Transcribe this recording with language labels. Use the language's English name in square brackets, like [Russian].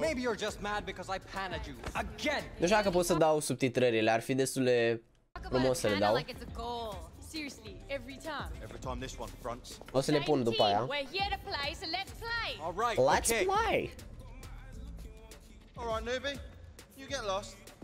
[English] Maybe you're just mad because I panned you again. [Romanian] Nu știu dacă pot să dau subtitrările, ar fi destul de frumos să le dau. [English] Seriously, every time this one fronts. [Romanian] O să le pun după aia. [English] We're here to play, so let's play. All right, let's play. All right, newbie, you get lost.